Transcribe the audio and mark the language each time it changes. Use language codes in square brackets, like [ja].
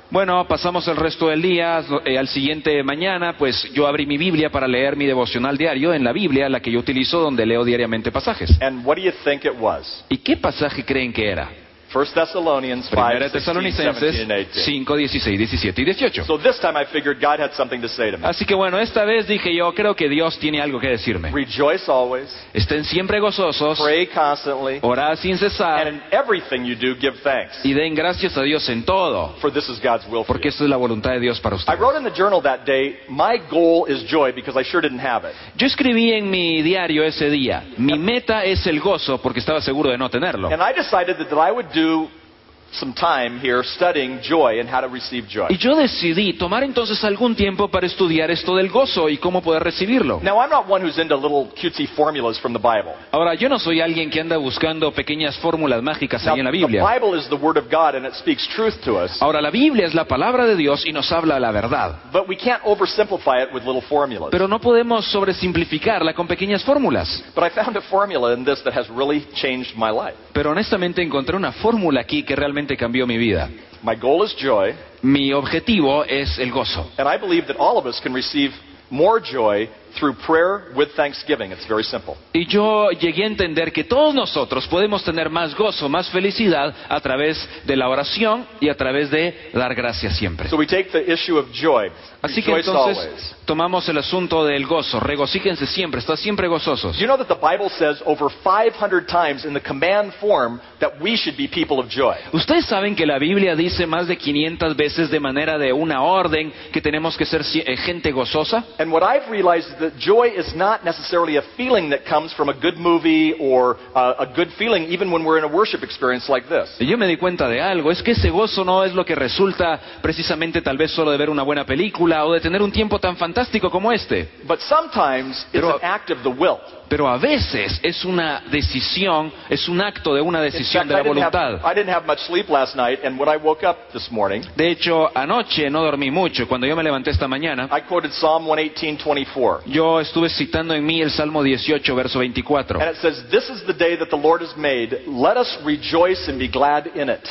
[es] Bueno, pasamos el resto del día, al siguiente mañana, pues yo abrí mi Biblia para leer mi devocional diario en la Biblia, la que yo utilizo donde leo diariamente pasajes. [en] And what do you think it was? [es] ¿Y qué pasaje creen que era? [en] 1 Thessalonians 5, 16, 17, [es] 5, 16, 17 y 18. [en] So this time I figured God had something to say to me. [es] Así que bueno, esta vez dije yo, creo que Dios tiene algo que decirme. [en] Rejoice always. [es] Estén siempre gozosos. [en] Pray constantly. [es] Orad sin cesar. [en] And in everything you do, give thanks. [es] Y den gracias a Dios en todo. [en] For this is God's will for you. [es] Porque esta es la voluntad de Dios para ustedes. [en] I wrote in the journal that day, my goal is joy because I sure didn't have it. [es] Yo escribí en mi diario ese día, mi meta es el gozo porque estaba seguro de no tenerlo. [en] And I decided that I would do some time here studying joy and how to receive joy. [es] Y yo decidí tomar entonces algún tiempo para estudiar esto del gozo y cómo poder recibirlo. [en] Now I'm not one who's into little cutesy formulas from the Bible. [es] Ahora yo no soy alguien que anda buscando pequeñas fórmulas mágicas ahí en la Biblia. [en] The Bible is the word of God and it speaks truth to us. [es] Ahora la Biblia es la palabra de Dios y nos habla la verdad. [en] But we can't oversimplify it with little formulas. [es] Pero no podemos sobresimplificarla con pequeñas fórmulas. [en] But I found a formula in this that has really changed my life. [es] Pero honestamente encontré una fórmula aquí que realmente cambió mi vida. [en] My goal is joy. [es] Mi objetivo es el gozo. [en] And I believe that all of us can receive more joy through prayer with thanksgiving. It's very simple. [es] Y yo llegué a entender que todos nosotros podemos tener más gozo, más felicidad a través de la oración y a través de dar gracias siempre. [en] So we take the issue of joy. [es] Así que entonces [en] always. [es] Tomamos el asunto del gozo. Regocíjense siempre, está siempre gozosos. [en] You know that the Bible says over 500 times in the command form that we should be people of joy. [es] Ustedes saben que la Biblia dice más de 500 veces de manera de una orden que tenemos que ser gente gozosa. [en] And what I've realized that joy is not necessarily a feeling that comes from a good movie or a good feeling even when we're in a worship experience like this. [es] Y yo me di cuenta de algo, es que ese gozo no es lo que resulta precisamente tal vez solo de ver una buena película o de tener un tiempo tan fantástico como este. [en] But sometimes it's an act of the will. [es] Pero a veces es una decisión, es un acto de una decisión de la voluntad. [en] I didn't have much sleep last night and when I woke up this morning. [es] De hecho, anoche no dormí mucho cuando yo me levanté esta mañana. [en] I quoted Psalm 118:24. [es] Yo estuve citando en mí el Salmo 18 verso 24. [en] And it says, "This is the day that the Lord has made; let us rejoice and be glad in it."